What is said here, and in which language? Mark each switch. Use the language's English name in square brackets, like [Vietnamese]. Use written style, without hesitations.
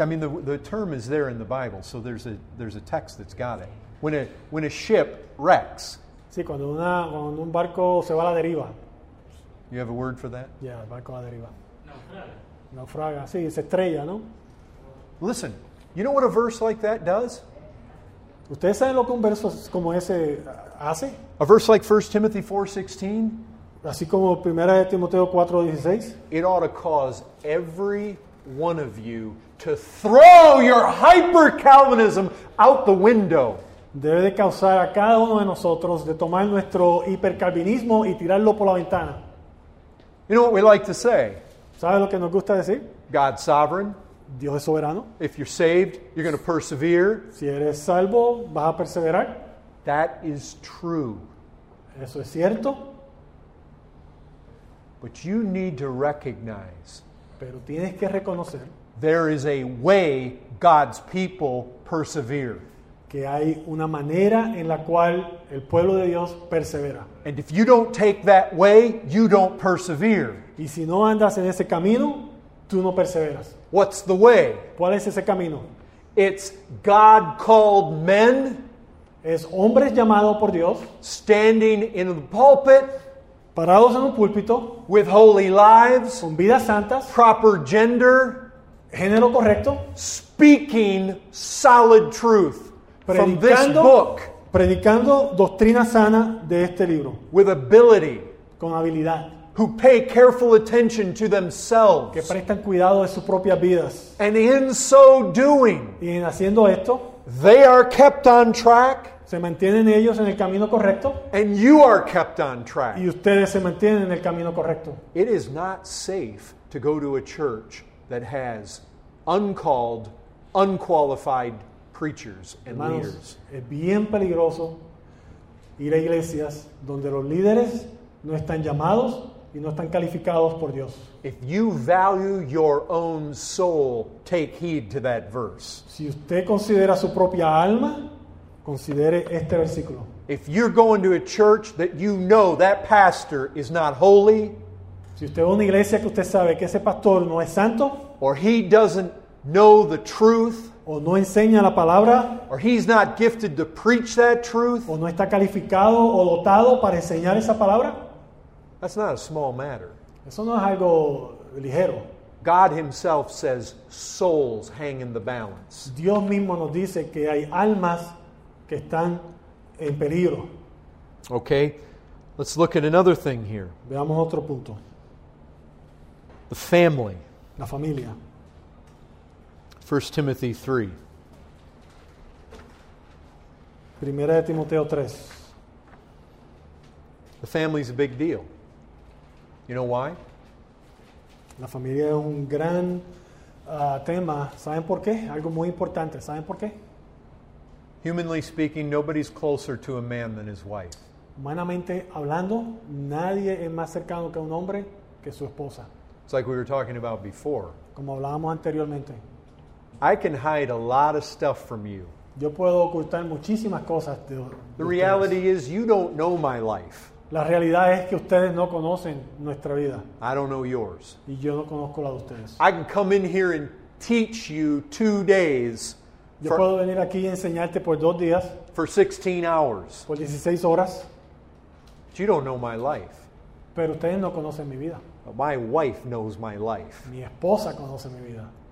[English] I mean, the term is there in the Bible, so there's a text that's got it. When a ship wrecks. [Spanish] Sí, cuando un barco se va a la deriva. [English] You have a word for that? [Spanish] Yeah, barco a la deriva. Naufraga. Sí, se estrella, ¿no? [English] Listen, you know what a verse like that does? [Spanish] ¿Ustedes saben lo que un verso como ese hace? [English] A verse like 1 Timothy 4:16. [Spanish] Así como Primera de Timoteo 4:16. [English] It ought to cause every one of you to throw your hyper-Calvinism out the window. [Spanish] Debe de causar a cada uno de nosotros de tomar nuestro hipercalvinismo y tirarlo por la ventana. [English] You know what we like to say? [Spanish] ¿Sabe lo que nos gusta decir? [English] God's sovereign. [Spanish] Dios es soberano. [English] If you're saved, you're going to persevere. [Spanish] Si eres salvo, vas a perseverar. [English] That is true. [Spanish] Eso es cierto. [English] But you need to recognize. [Spanish] Pero tienes que reconocer. [English] There is a way God's people persevere. [Spanish] Que hay una manera en la cual el pueblo de Dios persevera. [English] And if you don't take that way, you don't persevere. [Spanish] Y si no andas en ese camino, tú no perseveras. [English] What's the way? [Spanish] ¿Cuál es ese camino? [English] It's God called men. [Spanish] Es hombres llamados por Dios. [English] Standing in the pulpit. [Spanish] Parados en un púlpito. [English] With holy lives. [Spanish] Con vidas santas. [English] Proper gender. [Spanish] Género correcto. [English] Speaking solid truth. From this book. [Spanish] Predicando doctrina sana de este libro. [English] With ability. [Spanish] Con habilidad. [English] Who pay careful attention to themselves. [Spanish] Que prestan cuidado de sus propias vidas. [English] And in so doing. [Spanish] Y en haciendo esto. [English] They are kept on track. [Spanish] Se mantienen ellos en el camino correcto. [English] And you are kept on track. [Spanish] Y ustedes se mantienen en el camino correcto. [English] It is not safe to go to a church that has uncalled, unqualified preachers and [Spanish] Hermanos, [English] leaders. [Spanish] Es bien peligroso ir a iglesias donde los líderes no están llamados y no están calificados por Dios. [English] If you value your own soul, take heed to that verse. [Spanish] Si usted considera su propia alma, considere este versículo. [English] If you're going to a church that you know that pastor is not holy, [Spanish] si usted va a una iglesia que usted sabe que ese pastor no es santo, [English] or he doesn't know the truth, [Spanish] o no enseña la palabra, [English] or he's not gifted to preach that truth, [Spanish] o no está calificado o dotado para enseñar esa palabra, [English] that's not a small matter. [Spanish] Eso no es algo ligero. [English] God himself says souls hang in the balance. [Spanish] Dios mismo nos dice que hay almas que están en peligro. [English] Okay, let's look at another thing here. [Spanish] Veamos otro punto. [English] The family. [Spanish] La familia. [English] 1 Timothy 3. [Spanish] Primera de Timoteo 3. [English] The family's a big deal. You know why? [Spanish] La familia es un gran tema. ¿Saben por qué? Algo muy importante. ¿Saben por qué? [English] Humanly speaking, nobody's closer to a man than his wife. [Spanish] Humanamente hablando, nadie es más cercano que un hombre que su esposa. [English] It's like we were talking about before. [Spanish] Como hablábamos anteriormente. [English] I can hide a lot of stuff from you. [Spanish] Yo puedo ocultar muchísimas cosas de ustedes. [English] The reality is you don't know my life. [Spanish] La realidad es que ustedes no conocen nuestra vida. [English] I don't know yours. [Spanish] Y yo no conozco la de ustedes. [English] I can come in here and teach you 2 days. [Spanish] Yo puedo venir aquí y enseñarte por 2 días. [English] For 16 hours. [Spanish] Por 16 horas. [English] But you don't know my life. [Spanish] Pero ustedes no conocen mi vida. [English] But my wife knows my life. [Spanish] Mi esposa conoce mi vida.